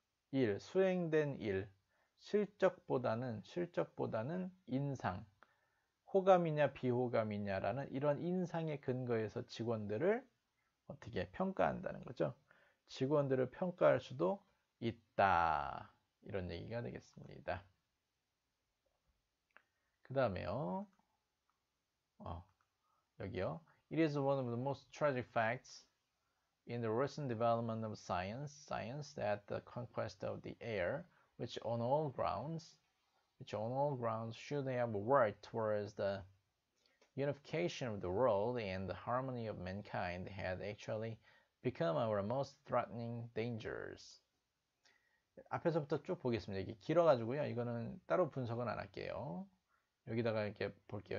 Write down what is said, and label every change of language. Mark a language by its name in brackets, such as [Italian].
[Korean] 일, 수행된 일, 실적보다는 인상, 호감이냐 비호감이냐라는 이런 인상의 근거에서 직원들을 어떻게 평가한다는 거죠. 직원들을 평가할 수도 있다. 이런 얘기가 되겠습니다. 그 다음에요. [English] It is one of the most tragic facts in the recent development of science, that the conquest of the air, which on all grounds should have worked towards the unification of the world and the harmony of mankind, had actually become our most threatening dangers. [Korean] 앞에서부터 쭉 보겠습니다. 이게 길어가지고요. 이거는 따로 분석은 안 할게요. 여기다가 이렇게 볼게요.